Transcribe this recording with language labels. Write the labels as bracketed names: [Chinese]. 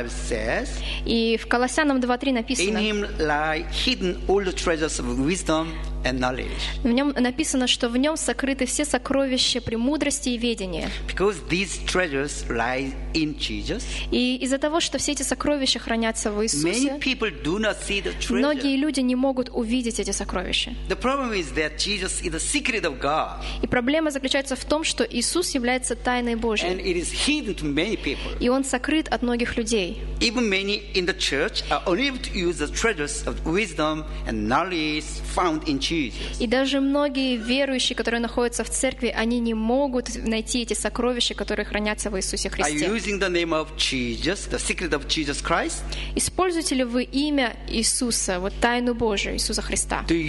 [English] Colossians 2:3, the Bible says, in him lie hidden all the treasures of wisdom and knowledge. [Russian] В нем написано, что в нем сокрыты все сокровища премудрости и ведения. [English] Because these treasures lie in Jesus. [Russian] И из-за того, что все эти сокровища хранятся в Иисусе. [English] Many people do not see the treasure. [Russian] Многие люди не могут увидеть эти сокровища. [English] The problem is that Jesus is the secret of God. [Russian] И проблема заключается в том, что Иисус является тайной Божьей. [English] And it is hidden to many people. [Russian] И он сокрыт от многих людей. [English] Even many in the church are unable to use the treasures of wisdom and knowledge found in [Russian] И даже многие верующие, которые находятся в церкви, они не могут найти эти сокровища, которые хранятся в Иисусе Христе. Используете ли вы имя Иисуса, вот тайну Божию, Иисуса Христа?